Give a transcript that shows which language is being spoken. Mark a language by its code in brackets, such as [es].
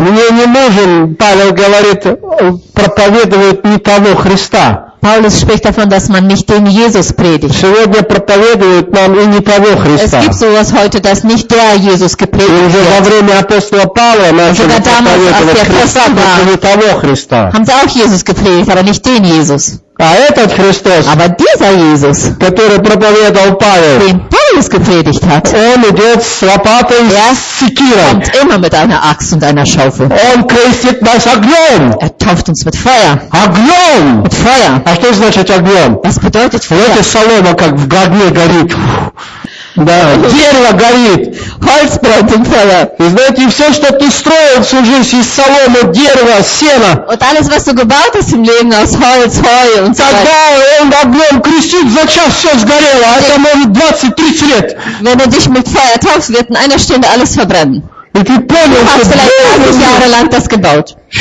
[ru] Мне не нужен, Павел говорит, проповедует не того Христа. [de] Paulus spricht davon, dass man nicht den Jesus predigt. Es gibt sowas heute, dass nicht der Jesus gepredigt wird. Sogar damals, als der Apostel war, haben sie auch Jesus gepredigt, aber nicht den Jesus. Aber dieser Jesus, den Paulus gepredigt hat, er kommt immer mit einer Axt und einer Schaufel. Er tauft uns mit Feuer. Mit Feuer. [ru] Что значит огнем? [de] Was bedeutet Feuer? [ru] Это солома, как в огне горит. Да, дерево горит. [de] Holz brennt im Feuer. [ru] И знаете, все, что ты строил всю жизнь из соломы, дерева, сена. [de] Und alles, was du gebaut hast im Leben aus Holz, Heu und so weiter. [ru] Тогда он огнем крестит, за час все сгорело, а это может 20-30 лет. [de] Wenn du dich mit Feuer taufst, wird in einer Stunde alles verbrennen. Und die Pläne, du hast vielleicht 30 Jahre lang das gebaut.